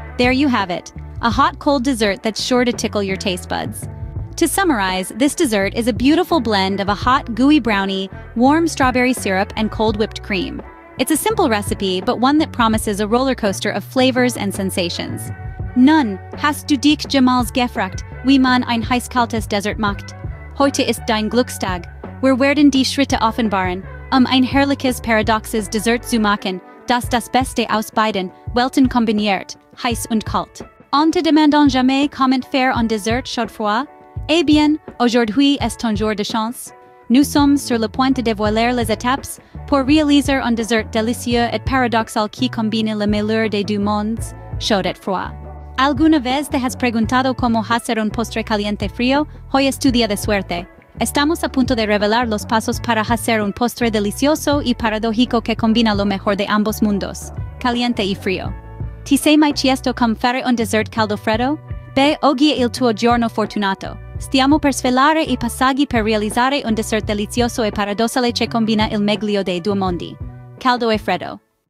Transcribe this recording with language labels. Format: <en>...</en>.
<en>There you have it, a hot cold dessert that's sure to tickle your taste buds. To summarize, this dessert is a beautiful blend of a hot, gooey brownie, warm strawberry syrup, and cold whipped cream. It's a simple recipe, but one that promises a roller coaster of flavors and sensations.</en> <de>Nun, hast du dich jemals gefragt, wie man ein heißkaltes Dessert macht? Heute ist dein Glückstag. Wir werden die Schritte offenbaren, ein herrliches paradoxes Dessert zu machen, das Beste aus beiden Welten kombiniert, heiß und kalt.</de> <fr>En te demandant jamais comment faire un dessert chaud froid? Eh bien, aujourd'hui est ton jour de chance. Nous sommes sur le point de dévoiler les étapes pour réaliser un dessert délicieux et paradoxal qui combine le meilleur des deux mondes, chaud et froid.</fr> <es>¿Alguna vez te has preguntado cómo hacer un postre caliente frío? Hoy es tu día de suerte. Estamos a punto de revelar los pasos para hacer un postre delicioso y paradójico que combina lo mejor de ambos mundos, caliente y frío.</es> <it>¿Ti sei mai chiesto come fare un dessert caldo freddo? Beh, oggi è il tuo giorno fortunato. Stiamo per svelare i passaggi per realizzare un dessert delizioso e paradossale che combina il meglio dei due mondi, caldo e freddo.</it>